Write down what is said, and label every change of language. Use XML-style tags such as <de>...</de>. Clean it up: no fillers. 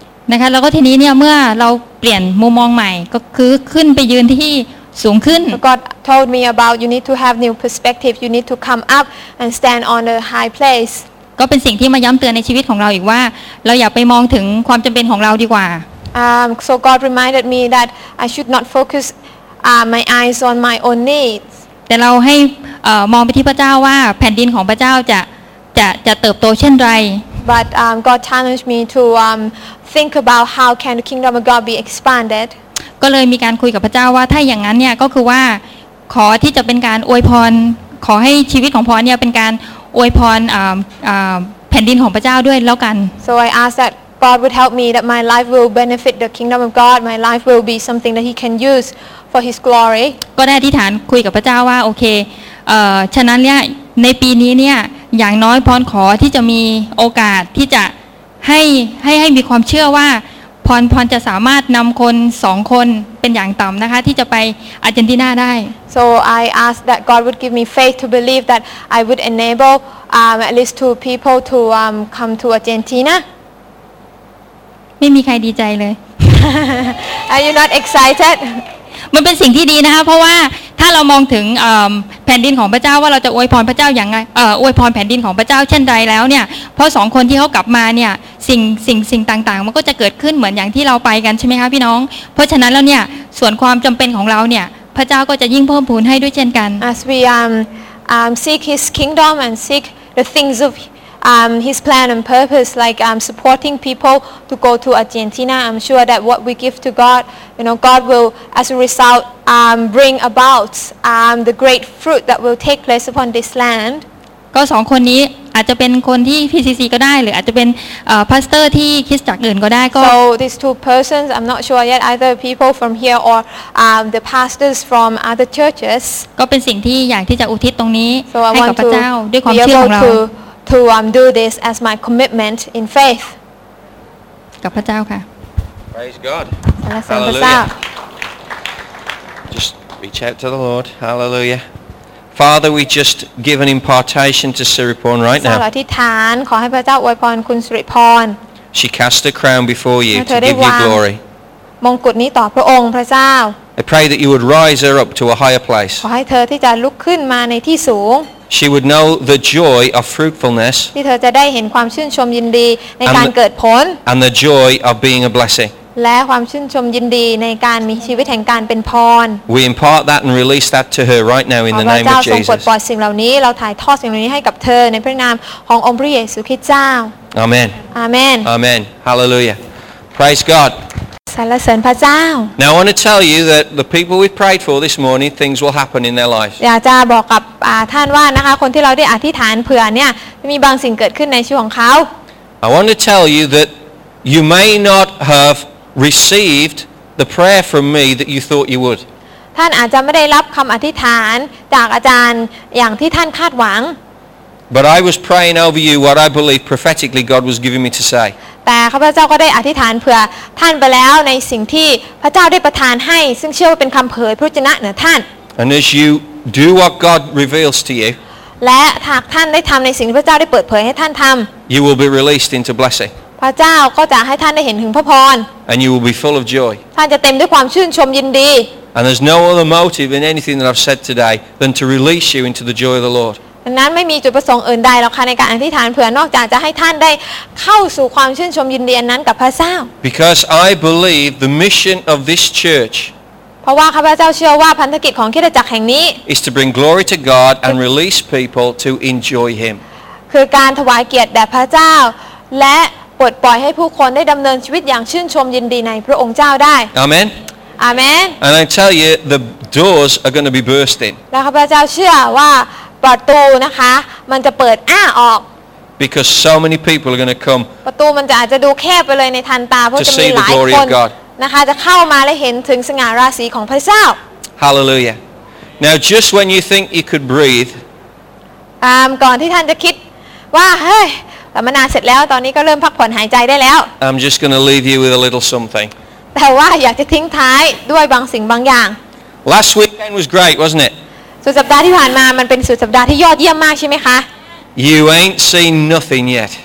<th>นะคะแล้วก็ทีนี้เนี่ยเมื่อเราเปลี่ยนมุมมองใหม่ก็คือขึ้นไปยืนที่สูงขึ้น</th> <en>God told me about you need to have new perspective you need to come up and stand on a high place</en> <th>ก็เป็นสิ่งที่มาย้ำเตือนในชีวิตของเราอีกว่าเราอย่าไปมองถึงความจำเป็นของเราดีกว่า</th> <en>So God reminded me that I should not focus my eyes on my own needs</en> <th>แต่เราให้มองไปที่พระเจ้าว่าแผ่นดินของพระเจ้าจะเติบโตเช่นไร</th> <en>But God challenged me to think about how can the kingdom of God be expanded</en> <th>ก็เลยมีการคุยกับพระเจ้าว่าถ้าอย่างนั้นเนี่ยก็คือว่าขอที่จะเป็นการอวยพรขอให้ชีวิตของพรเนี่ยเป็นการอวยพร ผ่นดินของพระเจ้าด้วยแล้วกัน</th> <en>So I ask that God would help me that my life will benefit the kingdom of God my life will be something that he can use for his glory</en> <th>ก็ได้อธิษฐานคุยกับพระเจ้าว่าโอเคฉะนั้นเนี่ยในปีนี้เนี่ยอย่างน้อยพรขอที่จะมีโอกาสที่จะให้มีความเชื่อว่าพรจะสามารถนำคน2คนเป็นอย่างต่ำนะคะที่จะไปอาร์เจนตินาได้</th> <en>So I ask that God would give me faith to believe that I would enable at least two people to come to Argentina</en> <th>ไม่มีใครดีใจเลย</th> <en>Are you not excited</en> <th>มันเป็นสิ่งที่ดีนะคะเพราะว่าถ้าเรามองถึงแผ่นดินของพระเจ้าว่าเราจะอวยพรพระเจ้าอย่างไรอวยพรแผ่นดินของพระเจ้าเช่นใดแล้วเนี่ยเพราะ2คนที่เขากลับมาเนี่ยสิ่งต่างๆมันก็จะเกิดขึ้นเหมือนอย่างที่เราไปกันใช่ไหมคะพี่น้องเพราะฉะนั้นแล้วเนี่ยส่วนความจำเป็นของเราเนี่ยพระเจ้าก็จะยิ่งเพิ่มพูนให้ด้วยเช่นกัน</th> <en>As we seek his kingdom and seek the things ofhis plan and purpose like supporting people to go to Argentina I'm sure that what we give to God you know God will as a result bring about the great fruit that will take place upon this land</en> <th>ก็2คนนี้อาจจะเป็นคนที่ PCC ก็ได้หรืออาจจะเป็นพาสเตอร์ที่คริสตจักรอื่นก็ได้ก็</th> <en>So these two persons I'm not sure yet either people from here or the pastors from other churches</en> <th>ก็เป็นสิ่งที่อยากที่จะอุทิศตรงนี้ให้กับพระเจ้าด้วยความเชื่อของเรา</th> <en>To do this as my commitment in faith.</en> <th>กับพระเจ้าค่ะ</th> <en>Praise God. Hallelujah. Just reach out to the Lord. Hallelujah. Father, we just give an impartation to Siriporn right now.</en> <th>ขออธิษฐานขอให้พระเจ้าอวยพรคุณสิริพร</th> <en>She cast a crown before you to give you glory.</en> <th>มงกุฎนี้ต่อพระองค์พระเจ้า</th> <en>I pray that you would rise her up to a higher place.</en> <th>ขอให้เธอที่จะลุกขึ้นมาในที่สูง</th> <en>She would know the joy of fruitfulness.</en> <th>ที่เธอจะได้เห็นความชื่นชมยินดีในการเกิดผล</th> <en>And the joy of being a blessing.</en> <th>และความชื่นชมยินดีในการมีชีวิตแห่งการเป็นพร</th> <en>We impart that and release that to her right now in the name of Jesus.</en> <th>พระเจ้าทรงปลดปล่อยสิ่งเหล่านี้เราถ่ายทอดสิ่งเหล่านี้ให้กับเธอในพระนามขององค์พระเยซูคริสต์เจ้า</th> <en>Amen. Amen. Amen. Hallelujah. Praise God.</en> <th>สรรเสริญพระเจ้า</th> <en>Now I want to tell you that the people we've prayed for this morning things will happen in their lives</en> <th>อยากจะบอกกับท่านว่านะคะคนที่เราได้อธิษฐานเผื่อเนี่ยมีบางสิ่งเกิดขึ้นในชีวิตของเขา</th> <en>I want to tell you that you may not have received the prayer from me that you thought you would</en> <th>ท่านอาจจะไม่ได้รับคำอธิษฐานจากอาจารย์อย่างที่ท่านคาดหวัง</th> <en>But I was praying over you what I believe prophetically God was giving me to say</en> <th>แต่ข้าพเจ้าก็ได้อธิษฐานเผื่อท่านไปแล้วในสิ่งที่พระเจ้าได้ประทานให้ซึ่งเชื่อว่าเป็นคำเผยพระวจนะเหนือท่าน</th> <en>And as you do what God reveals to you</en> <th>และหากท่านได้ทำในสิ่งที่พระเจ้าได้เปิดเผยให้ท่านทำ</th> <en>You will be released into blessing</en> <th>พระเจ้าก็จะให้ท่านได้เห็นถึงพระพร</th> <en>And you will be full of joy</en> <th>ท่านจะเต็มด้วยความชื่นชมยินดี</th> <en>And there's no other motive in anything that I've said today than to release you into the joy of the Lord.</en> <th>ดังนั้นไม่มีจุดประสงค์อื่นใดหรอกค่ะในการอธิษฐานเผื่อนอกจากจะให้ท่านได้เข้าสู่ความชื่นชมยินดีนั้นกับพระเจ้า</th> <en>Because I believe the mission of this church</en> <th>เพราะว่าข้าพเจ้าเชื่อว่าพันธกิจของคริสตจักรแห่งนี้</th> <en>is to bring glory to God and release people to enjoy him</en> <th>คือการถวายเกียรติแด่พระเจ้าและปลดปล่อยให้ผู้คนได้ดำเนินชีวิตอย่างชื่นชมยินดีในพระองค์เจ้าได้</th> <en>Amen Amen And I tell you the doors are going to be bursting</en> <th>และข้าพเจ้าเชื่อว่าประตูนะคะมันจะเปิดอ้าออก</th> <en>Because so many people are going to come</en> <th>ประตูมันจะอาจจะดูแคบไปเลยในทันตาเพราะจะมีหลายคนนะคะจะเข้ามาและเห็นถึงสง่าราศีของพระเจ้า</th> <en>Hallelujah Now just when you think you could breathe</en> <th>ก่อนที่ท่านจะคิดว่าเฮ้ยสัมมนาเสร็จแล้วตอนนี้ก็เริ่มพักผ่อนหายใจได้แล้ว</th> <en>I'm just going to leave you with a little something</en> <th>แต่ว่าอยากจะทิ้งท้ายด้วยบางสิ่งบางอย่าง</th> <en>Last weekend was great wasn't it</en> <th>สุดสัปดาห์ที่ผ่านมามันเป็นสุดสัปดาห์ที่ยอดเยี่ยมมากใช่ไหมคะ</th> <en>You ain't seen nothing yet</en>